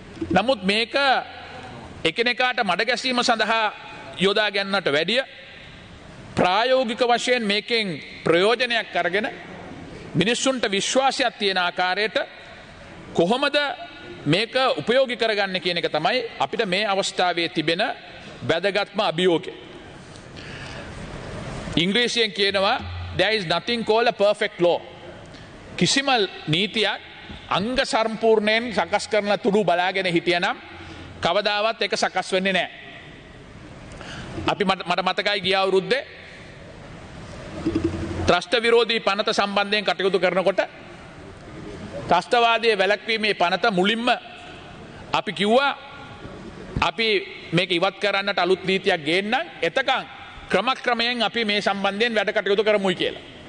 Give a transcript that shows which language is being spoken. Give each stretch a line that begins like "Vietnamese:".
Sinhala: නමුත් මේක එකිනෙකාට මඩ ගැසීම සඳහා යොදා ගන්නට වැඩිය ප්‍රායෝගික වශයෙන් මේකෙන් ප්‍රයෝජනයක් අරගෙන මිනිස්සුන්ට විශ්වාසයක් තියෙන ආකාරයට කොහොමද මේක උපයෝගී කරගන්නේ කියන එක තමයි අපිට මේ අවස්ථාවේ තිබෙන වැදගත්ම අභියෝගය. ඉංග්‍රීසියෙන් කියනවා
English: there is nothing called a perfect law.
Sinhala: කිසිම නීතියක් අංග සම්පූර්ණයෙන් සකස් කරන තුරු බලාගෙන හිටියනම් කවදාවත් ඒක සකස් වෙන්නේ නැහැ. අපි මට මතකයි ගිය අවුරුද්දේ ත්‍රස්ත විරෝධී පනත සම්බන්ධයෙන් කටයුතු කරනකොට ත්‍රස්තවාදී වැළැක්වීමේ පනත මුලින්ම අපි කිව්වා අපි මේක ඉවත් කරන්නට අලුත් නීතියක් ගේන්නම් එතකන් ක්‍රමක්‍රමයෙන් අපි මේ සම්බන්ධයෙන් වැඩ කටයුතු කරමුයි කියලා.